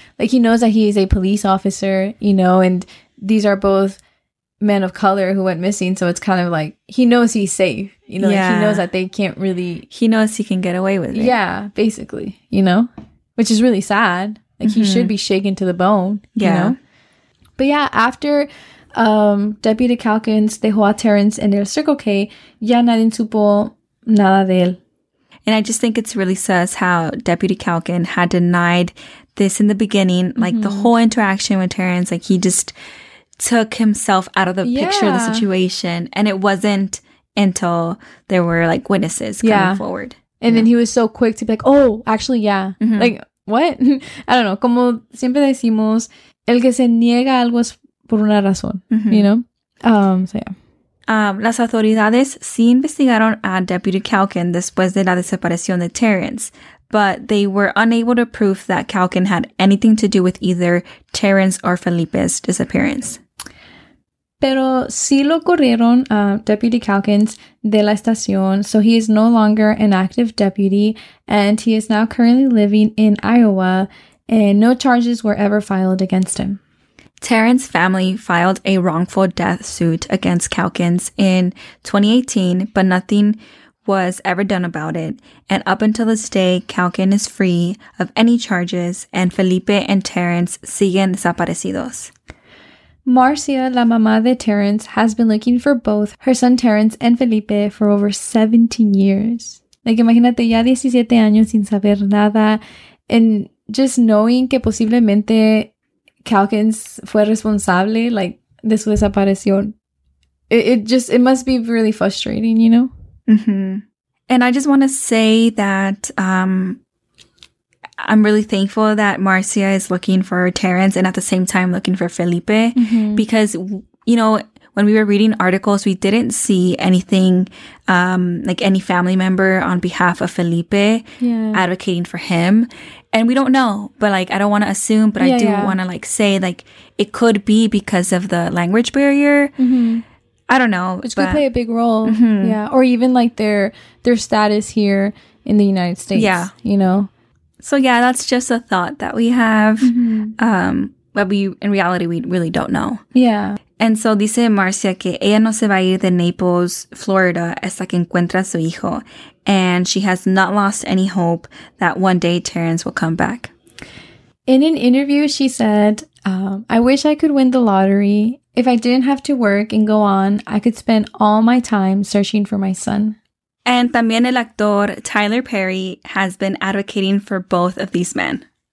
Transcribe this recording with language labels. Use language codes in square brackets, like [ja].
[en] Like, he knows that he is a police officer, you know, and these are both... men of color who went missing, so it's kind of like he knows he's safe, you know. Yeah. Like, he knows that they can't really, he knows he can get away with it. Yeah, basically, you know, which is really sad. Like, mm-hmm. he should be shaken to the bone. Yeah, you know? But yeah, [es] after Deputy Calkins dejó a Terrence en el Circle K, ya nadie supo nada de él. [en] And I just think it's really sus how Deputy Calkin had denied this in the beginning, like mm-hmm. the whole interaction with Terrence. Like, he just took himself out of the yeah. picture of the situation, and it wasn't until there were like witnesses coming yeah. forward. And yeah. then he was so quick to be like, oh, actually, yeah. Mm-hmm. Like, what? I don't know. [es] Como siempre decimos, el que se niega algo es por una razón, mm-hmm. [en] you know? So, yeah. [es] Las autoridades sí investigaron a Deputy Calkin después de la desaparición de Terrence, [en] but they were unable to prove that Calkin had anything to do with either Terrence or Felipe's disappearance. [es] Pero sí lo corrieron, Deputy Calkins, de la estación, [en] so he is no longer an active deputy, and he is now currently living in Iowa, and no charges were ever filed against him. Terrence's family filed a wrongful death suit against Calkins in 2018, but nothing was ever done about it. And up until this day, Calkin is free of any charges, and Felipe and Terrence [es] siguen desaparecidos. [en] Marcia, [es] la mamá de Terrence, [en] has been looking for both her son Terrence and Felipe for over 17 years. [es] Like, imagínate, ya 17 años sin saber nada, [en] and just knowing [es] que posiblemente Calkins fue responsable, like, de su desaparición. [en] It must be really frustrating, you know? Mm-hmm. And I just want to say that I'm really thankful that Marcia is looking for Terrence and at the same time looking for Felipe. Mm-hmm. Because, you know, when we were reading articles, we didn't see anything, like any family member on behalf of Felipe yeah. advocating for him. And we don't know, but like, I don't want to assume, but yeah, I do yeah. want to like say, like, it could be because of the language barrier. Mm-hmm. I don't know. Which could play a big role. Mm-hmm. Yeah. Or even like their status here in the United States. Yeah. You know? So yeah, that's just a thought that we have. Mm-hmm. But we, in reality, we really don't know. Yeah. [es] And so dice Marcia que ella no se va a ir de Naples, Florida, hasta que encuentra a su hijo. [en] And she has not lost any hope that one day Terrence will come back. In an interview, she said, I wish I could win the lottery. If I didn't have to work and go on, I could spend all my time searching for my son. And [es] también [en] el actor Tyler Perry has been advocating for both of these men.